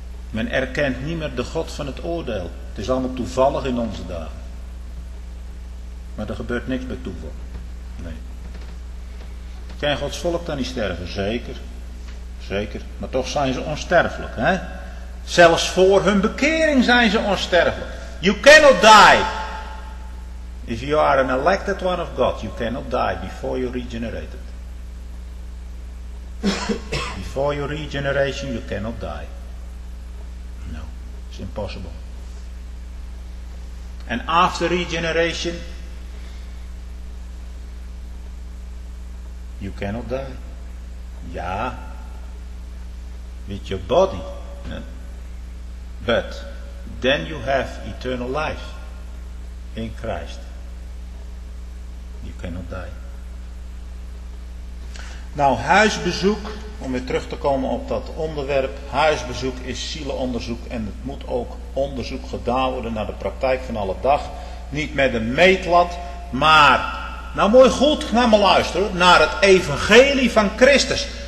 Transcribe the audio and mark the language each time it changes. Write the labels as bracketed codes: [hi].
[nl] Men erkent niet meer de God van het oordeel. Het is allemaal toevallig in onze dagen. Maar er gebeurt niks bij toeval. Nee. Kan Gods volk dan niet sterven? Zeker. Zeker. Maar toch zijn ze onsterfelijk. Hè? Zelfs voor hun bekering zijn ze onsterfelijk. [en] You cannot die. If you are an elected one of God, you cannot die before you regenerated. Before your regeneration, you cannot die. No, it's impossible. And after regeneration, you cannot die. Yeah, with your body. But then you have eternal life in Christ. You cannot die. [nl] Nou, huisbezoek, om weer terug te komen op dat onderwerp. Huisbezoek is zielenonderzoek en het moet ook onderzoek gedaan worden naar de praktijk van alle dag. Niet met een meetlat, maar, nou mooi goed, naar me luisteren, naar het evangelie van Christus.